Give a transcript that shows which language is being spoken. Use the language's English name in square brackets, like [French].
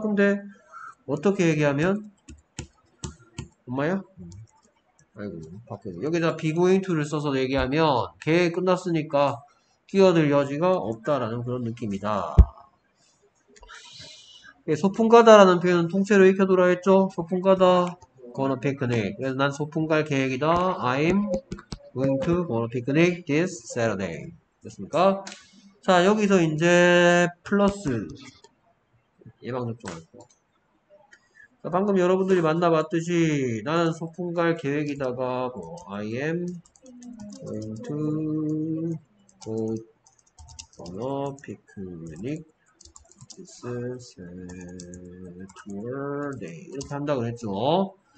[Korean] 근데 어떻게 얘기하면 엄마야? 아이고, 밖에서. 여기다 be going to를 써서 얘기하면 계획 끝났으니까 끼어들 여지가 없다라는 그런 느낌이다. 소풍 가다라는 표현은 통째로 익혀둬라 했죠? 소풍 가다, gonna picnic. 그래서 난 소풍 갈 계획이다. [English] I'm going to go on a picnic this Saturday. [Korean] 됐습니까? 자, 여기서 이제 플러스 예방접종할 거. 방금 여러분들이 만나봤듯이 나는 소풍 갈 계획이다가 뭐 [English] I am going to go on a picnic this Saturday [Korean] 이렇게 한다고 그랬죠.